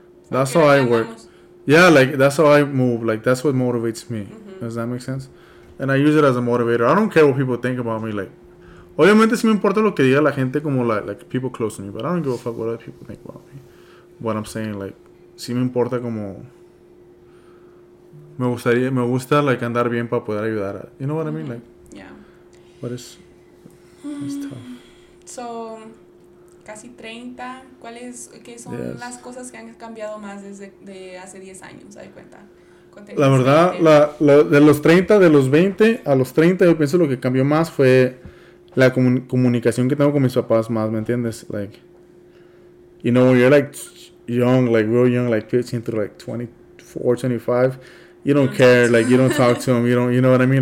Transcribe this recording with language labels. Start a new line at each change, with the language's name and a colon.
English: That's how I work. Yeah, like, that's how I move. Like, that's what motivates me. Mm-hmm. Does that make sense? And I use it as a motivator. I don't care what people think about me. Like,
Spanish: obviamente, si me importa lo que diga la gente, como,
English: like, people close to me. But I don't give a fuck what other people think about me. What I'm saying, like,
Spanish: si me importa como... me gusta, like, andar bien para poder ayudar.
English: A, you know what mm-hmm. I mean? Like, yeah. But it's tough. So...
Spanish: casi 30, ¿qué son las cosas que han cambiado más desde hace 10 años, ¿sabes cuenta? La verdad, de los 30, de los 20 a los 30, yo pienso lo que cambió más fue la comunicación que tengo con mis papás más, ¿me entiendes?
English: Like, you know, when you're like young, like real young, like 15 through like 24, 25, you don't care, like you don't talk to them, you know what I mean?